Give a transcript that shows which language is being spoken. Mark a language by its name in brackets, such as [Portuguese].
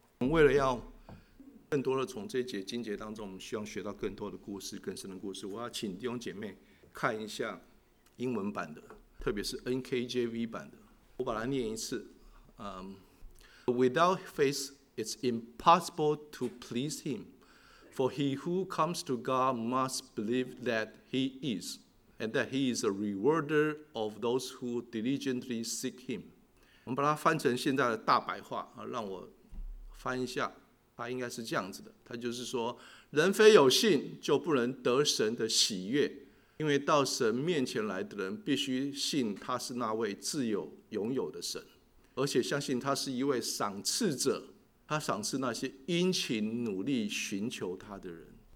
[Chinese] 为了要更多的从这节经节当中，我们需要学到更多的故事，更深的故事。我要请弟兄姐妹看一下英文版的，特别是 NKJV 版的，我把它念一次。 [English] Without faith, it's impossible to please him. For he who comes to God must believe that he is, and that he is a rewarder of those who diligently seek him. [Chinese] 我们把它翻成现在的大白话，让我翻一下，他应该是这样子的，他就是说，人非有信就不能得神的喜悦，因为到神面前来的人必须信他是那位自有拥有的神，而且相信他是一位赏赐者，他赏赐那些殷勤努力寻求他的人。